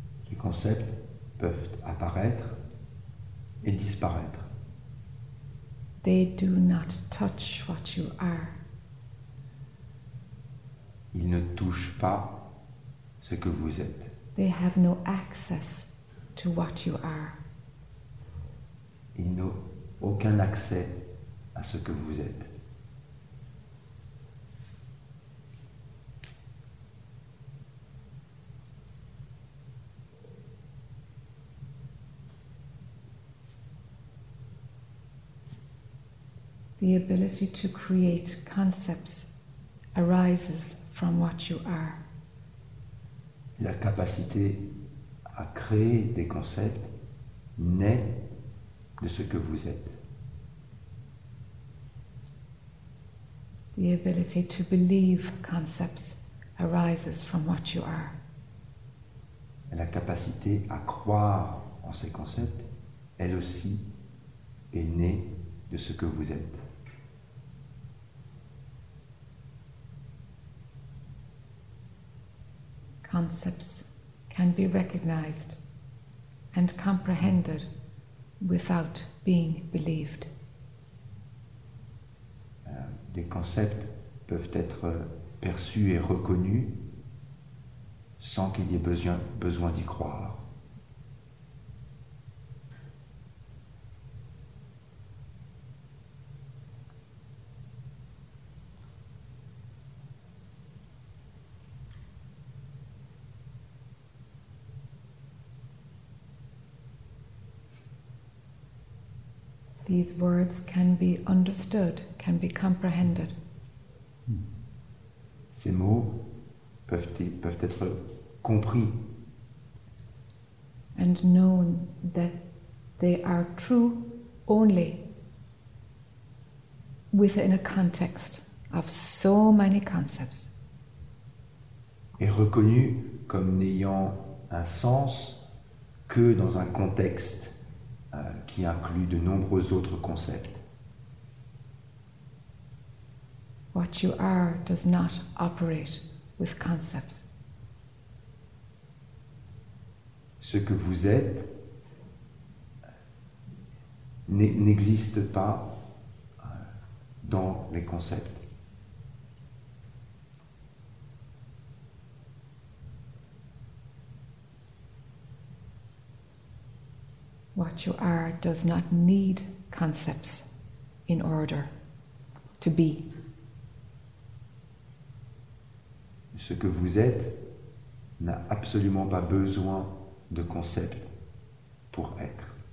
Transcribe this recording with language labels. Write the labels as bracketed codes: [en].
[fr] Les concepts peuvent apparaître et disparaître. [en] They do not touch what you are. [fr] Ils ne touchent pas ce que vous êtes. [en] They have no access to what you are. [fr] Ils ne aucun accès à ce que vous êtes. [en] The ability to create concepts arises from what you are. [fr] La capacité à créer des concepts naît de ce que vous êtes. [en] The ability to believe concepts arises from what you are. [fr] la capacité à croire en ces concepts, elle aussi est née de ce que vous êtes. [en] Concepts can be recognized and comprehended without being believed. [fr] Des concepts peuvent être perçus et reconnus sans qu'il y ait besoin d'y croire. [en] These words can be understood, can be comprehended. [fr] Ces mots peuvent être compris. [en] And known that they are true only within a context of so many concepts. [fr] Et reconnu comme n'ayant un sens que dans un contexte qui inclut de nombreux autres concepts. [en] What you are does not operate with concepts. [fr] Ce que vous êtes n'existe pas dans les concepts. [en] What you are does not need concepts in order to be. [fr] Ce que vous êtes n'a absolument pas besoin de concepts pour être.